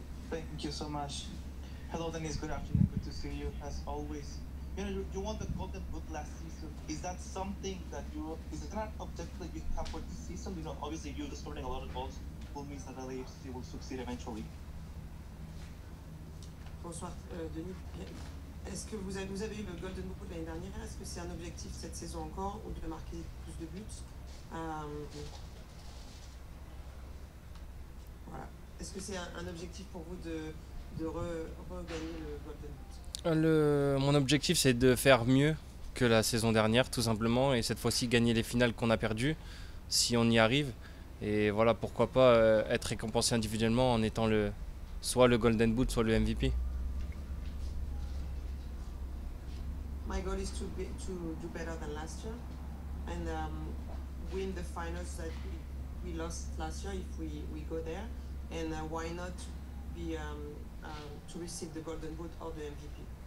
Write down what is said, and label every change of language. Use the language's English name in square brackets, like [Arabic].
[English] Thank you so much. Hello, Denise. Good afternoon. Good to see you as always. You know, you won the Golden Boot last season. Is that something that you, is that an objective that you have for this season? You know, obviously you're scoring a lot of goals, which means that LAFC will succeed eventually. [French] Bonsoir, Denis. Est-ce que vous avez eu le Golden Boot l'année dernière? Est-ce que c'est un objectif cette saison encore, ou de marquer plus de buts? Voilà. Est-ce que c'est un objectif pour vous de regagner le Golden Boot? Mon objectif, c'est de faire mieux que la saison dernière, tout simplement, et cette fois-ci gagner les finales qu'on a perdues, si on y arrive. Et voilà, pourquoi pas être récompensé individuellement en étant soit le Golden Boot, soit le MVP. [English] My goal is to do better than last year and win the finals that we lost last year if we go there. And why not be to receive the Golden Boot or the MVP?